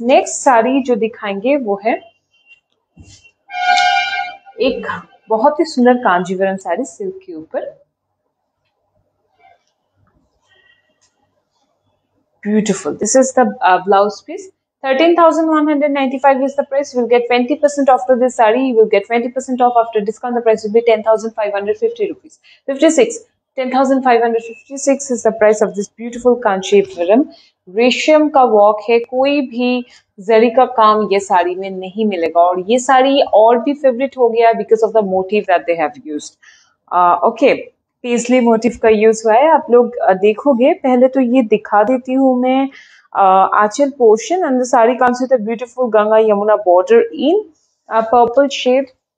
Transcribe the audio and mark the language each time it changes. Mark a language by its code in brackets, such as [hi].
[hi] Next sari जो दिखाएंगे वो है एक बहुत ही सुंदर कांजीवरम साड़ी सिल्क के ऊपर, beautiful. [en] This is the blouse piece, 13,195 is the price. You will get 20% off of this saree. You will get 20% off after discount. The price will be 10,550 rupees. 56. 10,556 is the price of this beautiful Kancheepuram. [hi] रेशम का walk है, कोई भी जरी का काम ये साड़ी में नहीं मिलेगा, और ये साड़ी और भी फेवरेट हो गया [en] Because of the motif that they have used. [hi] Okay, paisley motive का यूज हुआ है, आप लोग देखोगे। पहले तो ये दिखा देती हूँ मैं आंचल portion, [en] And the sari comes with a beautiful Ganga Yamuna border in purple shade.